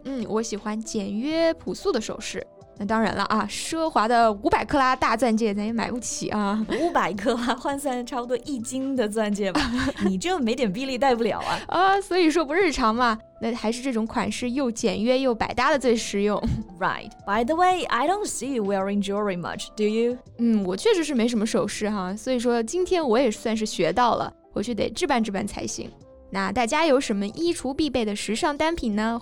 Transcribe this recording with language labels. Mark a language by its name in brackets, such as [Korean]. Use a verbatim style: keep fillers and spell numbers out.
[Chinese] 嗯，我喜欢简约朴素的首饰。那当然了啊，奢华的五百克拉大钻戒咱也买不起啊。五百克拉换算差不多一斤的钻戒吧，你这没点臂力戴不了啊。啊，所以说不日常嘛。那还是这种款式又简约又百搭的最实用。 [English] Right. By the way, I don't see you wearing jewelry much, do you? [Chinese] 嗯，我确实是没什么首饰哈，所以说今天我也算是学到了，回去得置办置办才行。那大家有什么衣橱必备的时尚单品呢？